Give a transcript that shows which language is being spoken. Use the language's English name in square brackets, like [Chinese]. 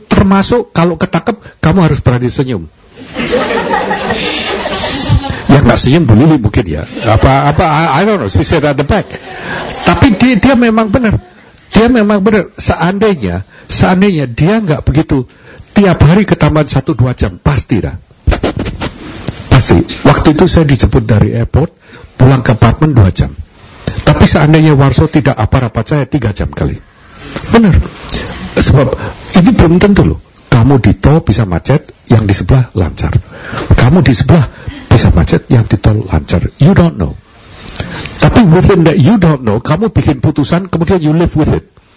[Indonesian] Termasuk kalau ketangkep, kamu harus berani senyum. Ya nggak senyum Bu Lili mungkin ya, apa [English] I don't know, she said at the back. [Indonesian] Tapi dia memang benar. Seandainya dia nggak begitu tiap hari ke taman 1-2 jam, pasti. Waktu itu saya dijemput dari airport pulang ke apartemen 2 jam. Tapi seandainya Warsaw tidak apa-apa, saya 3 jam kali. Benar, sebab ini belum tentu loh. Kamu di tol bisa macet, yang di sebelah lancar. Kamu di sebelah bisa macet, yang di tol lancar. [English] You don't know. Tapi within that you don't know, [Indonesian] kamu bikin putusan, kemudian [English] you live with it.